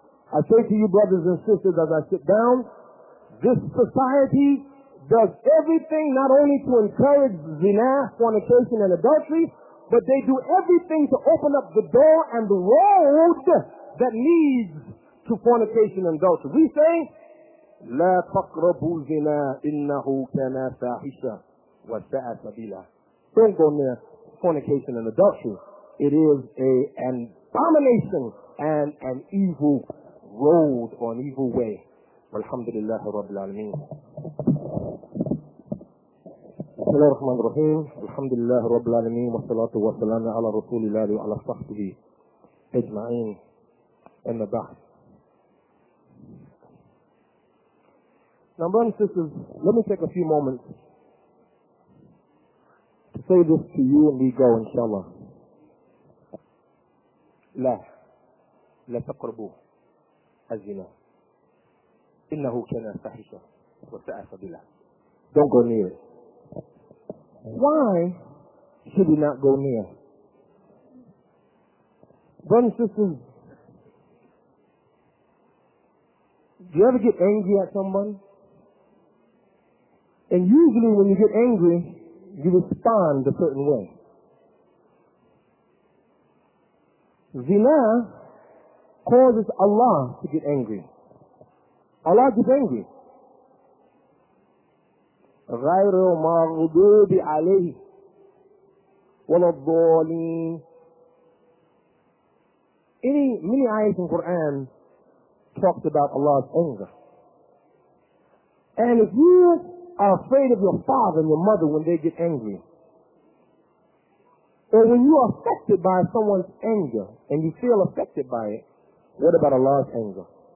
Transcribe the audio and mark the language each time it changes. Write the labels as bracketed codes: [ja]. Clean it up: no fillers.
[en] I say to you, brothers and sisters, as I sit down, this society does everything not only to encourage zina, fornication, and adultery, but they do everything to open up the door and the road that leads to fornication and adultery. We say, [ar] لا تقربوا الزنا إنه كان فاحشا وساء سبيلا. [en] Don't go near fornication and adultery. It is an abomination and an evil road or an evil way. [ar] والحمد لله رب العالمين. بسم الله الرحمن الرحيم. الحمد لله رب العالمين والصلاة والسلام على رسول الله وعلى صحبه أجمعين. أما بعد. [en] Now, brothers and sisters, let me take a few moments to say this to you and we go, inshallah. [ar] لا لا تقربوا الزنا إنه كان فاحشة وساء سبيلا. [en] Don't go near it. Why should we not go near? Brothers and sisters, do you ever get angry at someone? And usually when you get angry, you respond a certain way. Zina causes Allah to get angry. Allah gets angry. [ar] غير مغضوب عليه ولا الضالين. [en] Many ayahs in Quran talked about Allah's anger. And if you are afraid of your father and your mother when they get angry, or when you are affected by someone's anger and you feel affected by it, what about Allah's anger?